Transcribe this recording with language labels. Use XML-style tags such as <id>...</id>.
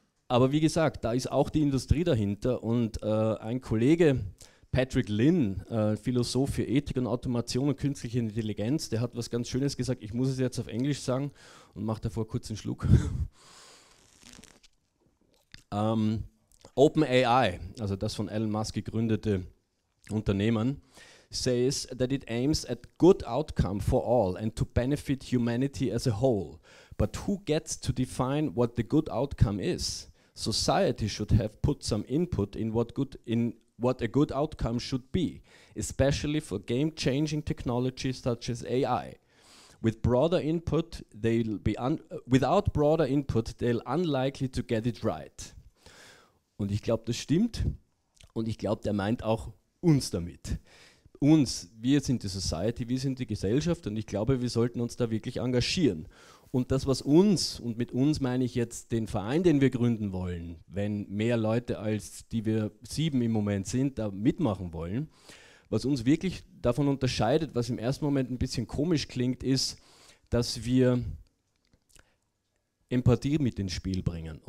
<de>Aber wie gesagt, da ist auch die Industrie dahinter und ein Kollege, Patrick Lin, Philosoph für Ethik und Automation und künstliche Intelligenz, der hat was ganz Schönes gesagt, ich muss es jetzt auf Englisch sagen und mache davor kurz einen Schluck.</de> <en>OpenAI, also das von Elon Musk gegründete Unternehmen, says that it aims at good outcome for all and to benefit humanity as a whole. But who gets to define what the good outcome is? Society should have put some input in what a good outcome should be, especially for game-changing technologies such as AI. Without broader input, they'll unlikely to get it right.</en> <de>Und ich glaube, das stimmt. Und ich glaube, der meint auch uns damit. Uns, wir sind die Society, wir sind die Gesellschaft und ich glaube, wir sollten uns da wirklich engagieren. Und das, was uns, und mit uns meine ich jetzt den Verein, den wir gründen wollen, wenn mehr Leute als die wir 7 im Moment sind, da mitmachen wollen, was uns wirklich davon unterscheidet, was im ersten Moment ein bisschen komisch klingt, ist, dass wir Empathie mit ins Spiel bringen.</de>